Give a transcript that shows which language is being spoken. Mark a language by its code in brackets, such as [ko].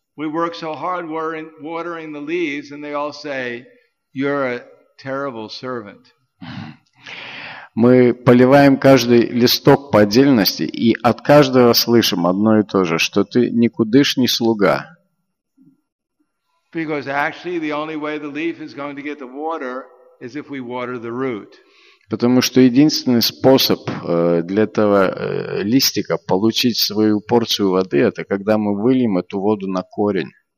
[en] We work so hard watering the leaves, and they all say, "You're a terrible servant." [ru] Мы поливаем каждый листок по отдельности, и от каждого слышим одно и то же, что ты никудышний слуга. [en] Because actually, the only way the leaf is going to get the water is if we water the root. [ru] Потому что единственный способ для этого листика получить свою порцию воды, это когда мы выльем эту воду на корень.